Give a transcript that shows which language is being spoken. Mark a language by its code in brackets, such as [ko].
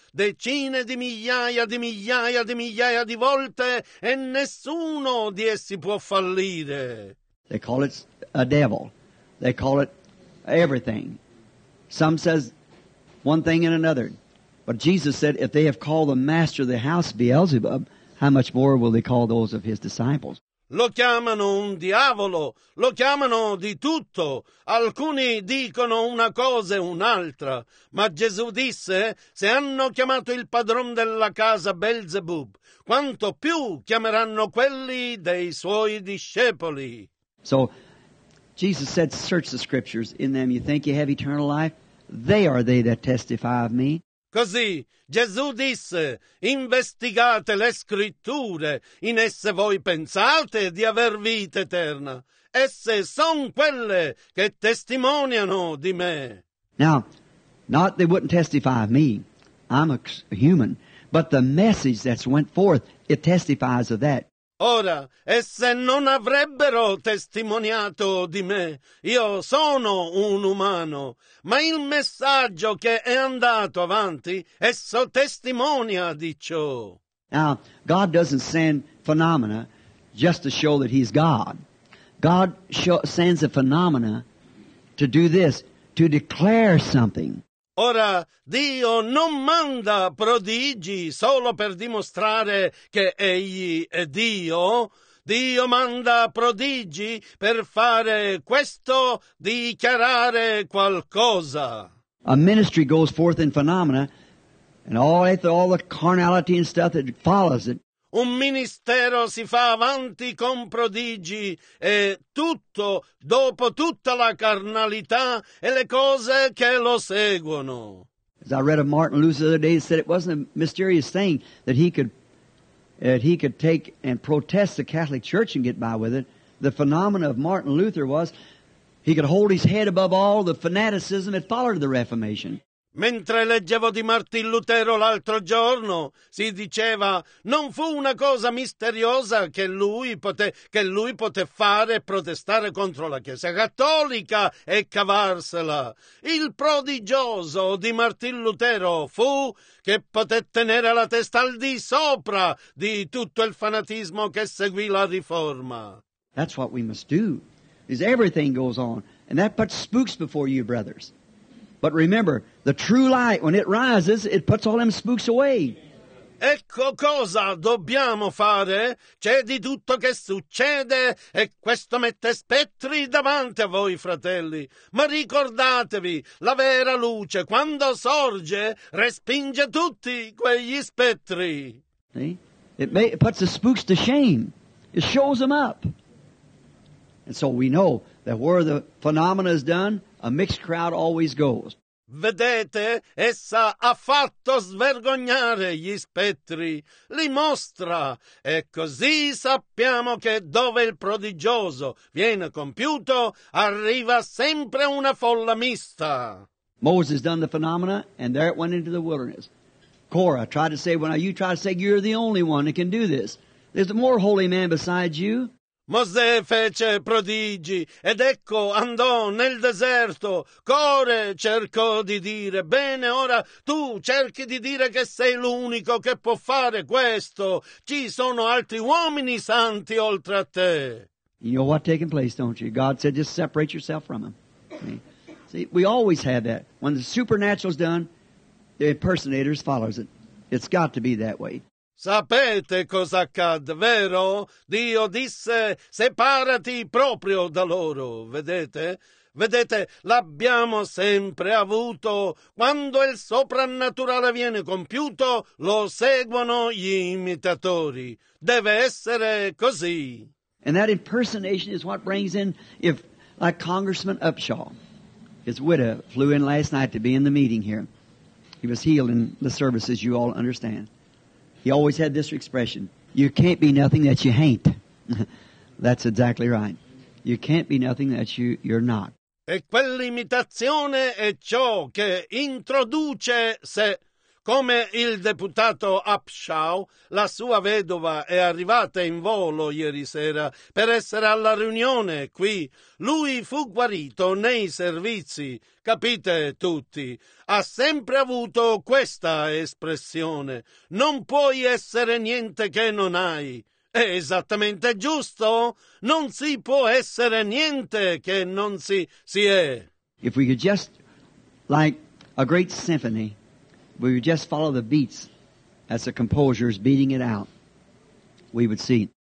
[it] Decine di migliaia di migliaia di migliaia di volte e nessuno di essi può fallire. [en] They call it a devil. They call it everything. Some says one thing and another. But Jesus said, if they have called the master of the house Beelzebub, how much more will they call those of his disciples? [it] Lo chiamano un diavolo, lo chiamano di tutto. Alcuni dicono una cosa e un'altra. Ma Gesù disse, se hanno chiamato il padron della casa Beelzebub, quanto più chiameranno quelli dei suoi discepoli. [en] So, Jesus said, search the scriptures. In them you think you have eternal life. They are they that testify of me. [it] Così, Gesù disse, investigate le scritture. In esse voi pensate di aver vita eterna. Esse son quelle che testimoniano di me. [en] Now, not they wouldn't testify of me. I'm a human. But the message that's went forth, it testifies of that. [it] Ora, esse non avrebbero testimoniato di me, io sono un umano, ma il messaggio che è andato avanti, esso testimonia di ciò. [en] Now, God doesn't send phenomena just to show that He's God. God sends a phenomena to do this, to declare something. [it] Ora, Dio non manda prodigi solo per dimostrare che Egli è Dio. Dio manda prodigi per fare questo, dichiarare qualcosa. [en] A ministry goes forth in phenomena, and all the carnality and stuff that follows it. [it] Un ministero si fa avanti con prodigi e tutto, dopo tutta la carnalità e le cose che lo seguono. [en] As I read of Martin Luther the other day, he said it wasn't a mysterious thing that he could take and protest the Catholic Church and get by with it. The phenomenon of Martin Luther was he could hold his head above all the fanaticism that followed the Reformation. [it] Mentre leggevo di Martin Lutero l'altro giorno, si diceva, non fu una cosa misteriosa che lui poté fare protestare contro la Chiesa Cattolica e cavarsela. Il prodigioso di Martin Lutero fu che poté tenere la testa al di sopra di tutto il fanatismo che seguì la Riforma. [en] That's what we must do, is everything goes on, and that puts spooks before you, brothers. But remember, the true light, when it rises, it puts all them spooks away. [it] Ecco cosa dobbiamo fare. C'è di tutto che succede e questo mette spettri davanti a voi, fratelli. Ma ricordatevi, la vera luce, quando sorge, respinge tutti quegli spettri. [en] See? It puts the spooks to shame. It shows them up. And so we know that where the phenomena is done, a mixed crowd always goes. [it] Vedete, essa ha fatto svergognare gli spettri, li mostra, e così sappiamo che dove il prodigioso viene compiuto, arriva sempre una folla mista. [en] Moses done the phenomena, and there it went into the wilderness. Korah tried to say, well, now you try to say you're the only one that can do this. There's a more holy man besides you. [it] Mosè fece prodigi ed ecco andò nel deserto. Core cercò di dire, bene, ora tu cerchi di dire che sei l'unico che può fare questo. Ci sono altri uomini santi oltre a te. [en] You know what's taking place, don't you? God said, just separate yourself from him. See, we always have that. When the supernatural's done, the impersonator follows it. It's got to be that way. [it] Sapete cosa accadde, vero? Dio disse, separati proprio da loro, vedete? Vedete, l'abbiamo sempre avuto. Quando il soprannaturale viene compiuto, lo seguono gli imitatori. Deve essere così. [en] And that impersonation is what brings in, if, like Congressman Upshaw, his widow flew in last night to be in the meeting here. He was healed in the services, you all understand. He always had this expression, you can't be nothing that you ain't. That's exactly right. You can't be nothing that you're not. [it] E quell'imitazione è ciò che introduce se, come il deputato Upshaw, la sua vedova è arrivata in volo ieri sera per essere alla riunione qui. Lui fu guarito nei servizi, capite tutti. Ha sempre avuto questa espressione. Non puoi essere niente che non hai. È esattamente giusto. Non si può essere niente che non si è. [en] If we could just, like a great symphony, we would just follow the beats as the composer is beating it out, we would see.